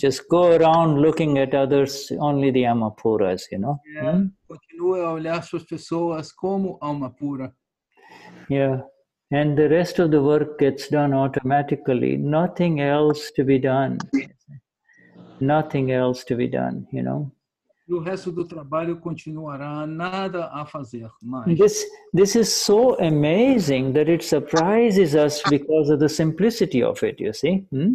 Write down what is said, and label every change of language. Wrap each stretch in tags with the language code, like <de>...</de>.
<en>Just go around looking at others, only the Amapuras, you know? Yeah.</en> <pt>Continue a olhar suas pessoas como alma pura.</pt> <en>Yeah. And the rest of the work gets done automatically. Nothing else to be done. Nothing else to be done, you know.</en> <pt>O resto do trabalho continuará, nada a fazer mais.</pt> <en>This is so amazing that it surprises us because of the simplicity of it, you see.</en>